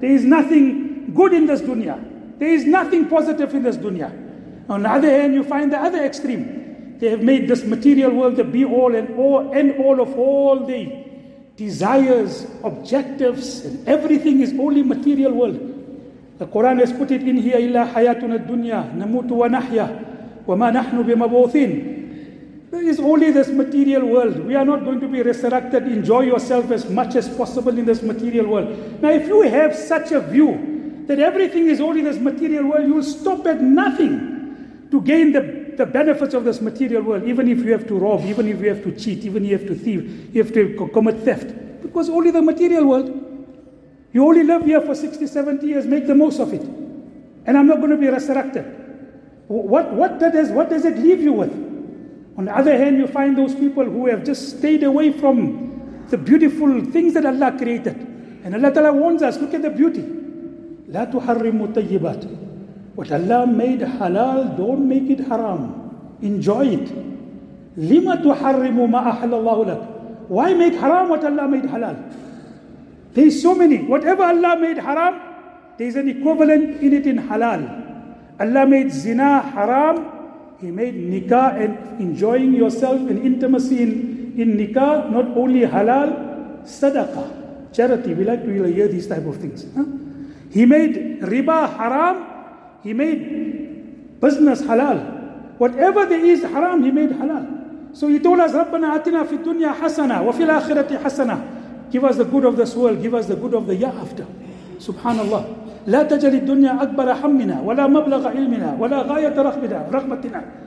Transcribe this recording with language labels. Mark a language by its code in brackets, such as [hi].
[en] There is nothing good in this dunya. There is nothing positive in this dunya. On the other hand, you find the other extreme. They have made this material world the be-all and all, end all of all the desires, objectives, and everything is only material world. The Quran has put it in here, [ar] إِلَّا حَيَاتُنَا الدُّنْيَا نَمُوتُ وَنَحْيَا وَمَا نَحْنُ بِمَبْعُوثِينَ. [en] There is only this material world. We are not going to be resurrected. Enjoy yourself as much as possible in this material world. Now, if you have such a view that everything is only this material world, you will stop at nothing to gain the benefits of this material world, even if you have to rob, even if you have to cheat, even if you have to thieve, if you have to commit theft. Because only the material world. You only live here for 60, 70 years. Make the most of it. And I'm not going to be resurrected. What does it leave you with? On the other hand, you find those people who have just stayed away from the beautiful things that Allah created. And Allah Ta'ala warns us, look at the beauty. [ar] لا تحرموا الطيبات. [en] What Allah made halal, don't make it haram. Enjoy it. [ar] لما تحرموا ما أحل الله لك. [en] Why make haram what Allah made halal? There is so many. Whatever Allah made haram, there is an equivalent in it in halal. Allah made zina haram. He made nikah and enjoying yourself and intimacy in nikah, not only halal, sadaqah, charity. We like to hear these type of things. He made riba haram. He made business halal. Whatever there is haram, he made halal. So he told us, [ar] Rabbana atina fi dunya hasana wa fil akhirati hasana. [en] Give us the good of this world. Give us the good of the year after. Subhanallah. [ar] لا تجعل الدنيا أكبر همنا ولا مبلغ علمنا ولا غاية رغبتنا.